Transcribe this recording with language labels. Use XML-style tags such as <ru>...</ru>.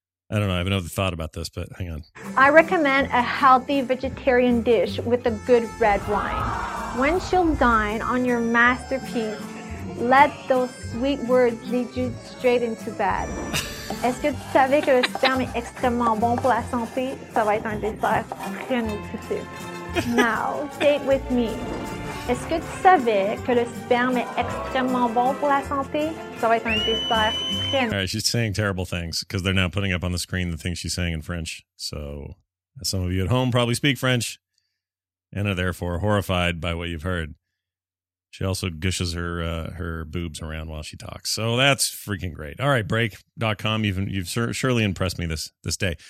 <en>I don't know. I haven't thought about this, but hang on. I recommend a healthy vegetarian dish with a good red wine. When she'll dine on your masterpiece, let those sweet words lead you straight into bed.</en> <fr>Est-ce que tu savais que le sperme est extrêmement bon pour la santé? Ça va être un dessert très nutritif.</fr> <en>Now, date with me.</en> <fr>Est-ce que tu savais que le sperme est extrêmement bon pour la santé? Ça va être un dessert très</fr> <en>All right, she's saying terrible things because they're now putting up on the screen the things she's saying in French. So, as some of you at home probably speak French and are therefore horrified by what you've heard. She also gushes her boobs around while she talks. So that's freaking great. All right, break.com, you've surely impressed me this day.</en>